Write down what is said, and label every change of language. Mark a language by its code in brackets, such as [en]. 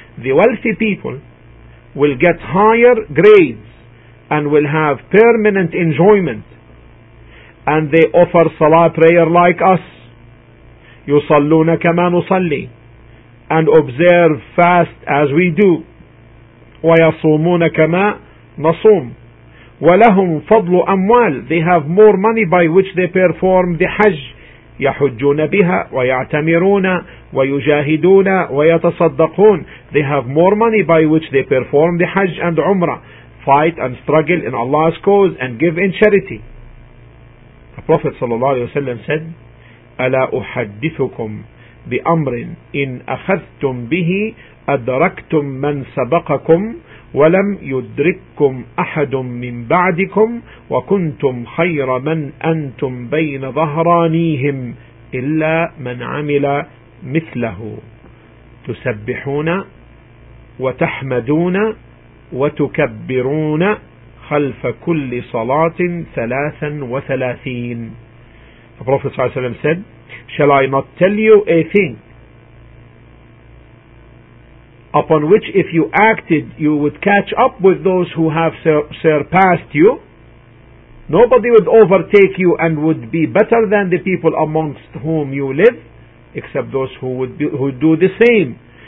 [en] The wealthy people will get higher grades and will have permanent enjoyment, and they offer salah prayer like us, [ar] يصلون كما نصلي, [en] and observe fast as we do, [ar] ويصومون كما نصوم, ولهم فضل أموال. [en] They have more money by which they perform the Hajj. [ar] يحجون بها ويعتمرون ويجاهدون ويتصدقون. [en] They have more money by which they perform the Hajj and Umrah, fight and struggle in Allah's cause and give in charity. The Prophet sallallahu alaihi wasallam said, [ar] ألا أحدثكم بأمر إن أخذتم به أدركتم من سبقكم ولم يدرككم أحد من بعدكم وكنتم خير من أنتم بين ظهرانيهم إلا من عمل مثله تسبحون وتحمدون وتكبرون خلف كل صلاة 33. [en] The Prophet [ar] صلى الله عليه وسلم [en] said, shall I not tell you a thing upon which if you acted, you would catch up with those who have surpassed you? Nobody would overtake you and would be better than the people amongst whom you live, except those who do the same.